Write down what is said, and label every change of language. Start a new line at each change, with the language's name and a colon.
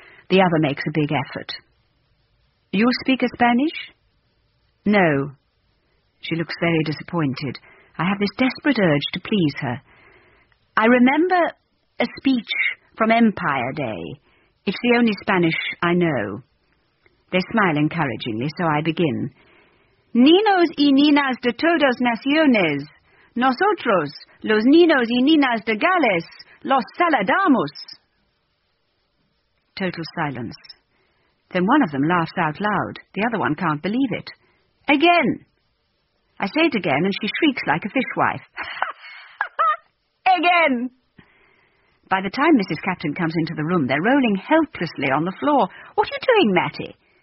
English: The other makes a big effort. You speak a Spanish? No. She looks very disappointed. I have this desperate urge to please her. I remember a speech from Empire Day. It's the only Spanish I know. They smile encouragingly, so I begin.
Spanish: Ninos y ninas de todas naciones. Nosotros, los ninos y ninas de Gales, los saludamos.
English: Total silence. Then one of them laughs out loud. The other one can't believe it. Again. I say it again, and she shrieks like a fishwife. Again. By the time Mrs. Captain comes into the room, they're rolling helplessly on the floor. What are you doing, Matty?